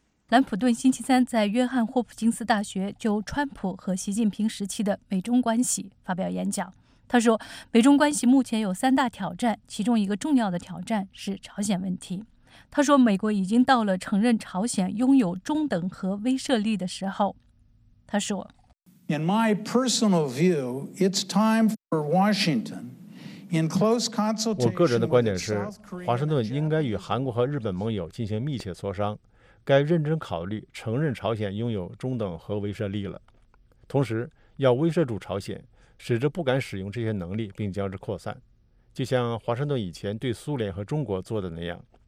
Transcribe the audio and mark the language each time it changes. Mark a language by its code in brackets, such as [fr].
[zh] 兰普顿星期三在约翰霍普金斯大学就川普和习近平时期的美中关系发表演讲。他说，美中关系目前有三大挑战，其中一个重要的挑战是朝鲜问题。他说，美国已经到了承认朝鲜拥有中等核威慑力的时候。他说 [en] In my personal view, it's time for Washington. [zh] 我个人的观点是，华盛顿应该与韩国和日本盟友进行密切磋商，该认真考虑承认朝鲜拥有中等核威慑力了，同时要威慑住朝鲜，使之不敢使用这些能力并将之扩散，就像华盛顿以前对苏联和中国做的那样。